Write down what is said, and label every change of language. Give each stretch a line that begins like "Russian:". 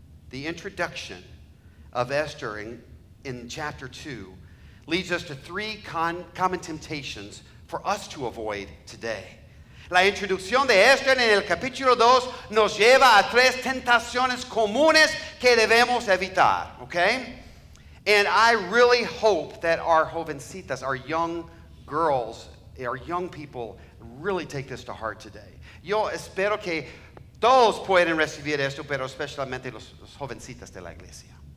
English: The introduction of Esther in chapter 2 leads us to three common temptations for us to avoid today.
Spanish: La introducción de Esther en el capítulo 2 nos lleva a tres tentaciones comunes que debemos evitar.
English: Okay? And I really hope that our jovencitas, our young girls, our young people really take this to heart today.
Spanish: Yo espero que todos puedan recibir esto, pero especialmente los jovencitas de la iglesia.